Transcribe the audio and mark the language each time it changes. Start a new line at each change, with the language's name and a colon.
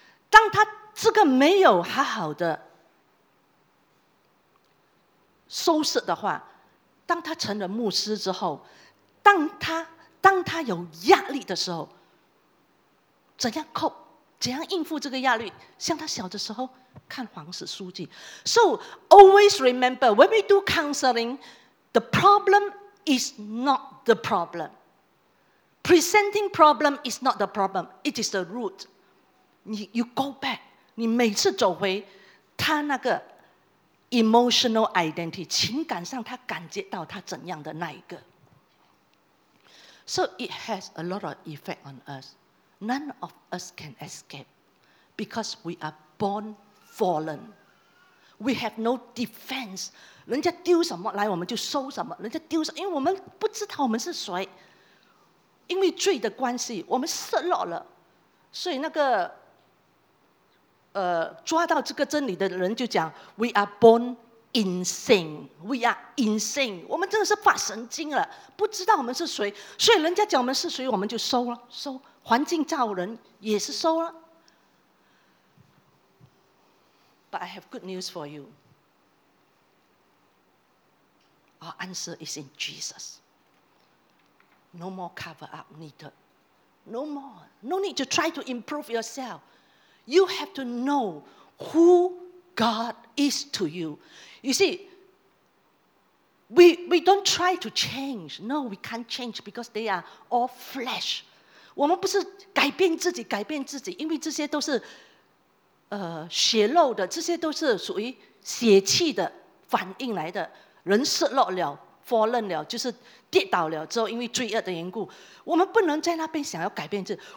Chinese: 当他这个没有好好的收拾的话，当他成了牧师之后，当他有压力的时候，怎样cope？怎样应付这个压力？像他小的时候看黄色书籍。
English: So always remember, when we do counseling, the problem is not the problem. Presenting problem is not the problem. It is the root. You go back.
Chinese: 你每次走回他那个
English: emotional identity,
Chinese: 情感上他感觉到他怎样的那一个。
English: So it has a lot of effect on us. None of us can escape because we are born fallen. We have no defense.
Chinese: 人家丢什么来我们就收什么，人家丢什么，因为我们不知道我们是谁。因为罪的关系我们失落了。所以那个抓到这个真理的人就讲
English: We are born insane. We are insane.
Chinese: 我们真的是发神经了，不知道我们是谁。所以人家讲我们是谁我们就收了，收环境造人也是收了。
English: But I have good news for you. Our answer is in Jesus. No more cover up needed. No more. No need to try to improve yourself. You have to know who God is to you. You see, we don't try to change. No, we can't change because they are all flesh.
Chinese: 我们不是改变自己，改变自己，因为这些都是血肉的，这些都是属于血气的反应来的。人失落了 ，fallen 了，就是跌倒了之后，因为罪恶的缘故，我们不能在那边想要改变自己。